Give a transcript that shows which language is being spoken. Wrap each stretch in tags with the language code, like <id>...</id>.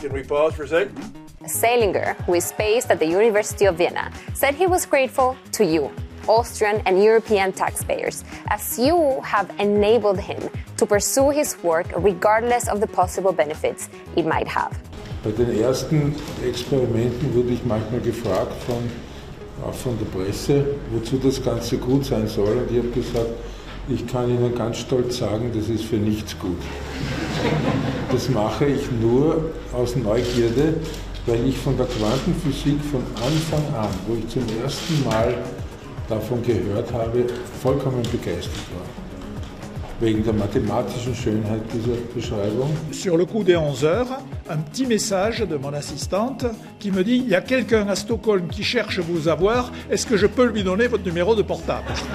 <en>Can we pause for a second? Salinger, who is based at the University of Vienna, said he was grateful to you, Austrian and European taxpayers, as you have enabled him to pursue his work regardless of the possible benefits it might have.</en> <de>Bei den ersten Experimenten wurde ich manchmal gefragt von der Presse, wozu das Ganze gut sein soll. Und ich habe gesagt, ich kann Ihnen ganz stolz sagen, das ist für nichts gut. Das mache ich nur aus Neugierde, weil ich von der Quantenphysik von Anfang an, wo ich zum ersten Mal davon gehört habe, vollkommen begeistert war. Wegen der mathematischen Schönheit dieser Beschreibung.</de> <fr>Sur le coup des 11 heures, un petit message de mon assistante qui me dit: il y a quelqu'un à Stockholm qui cherche vous avoir, est-ce que je peux lui donner votre numéro de portable?</fr>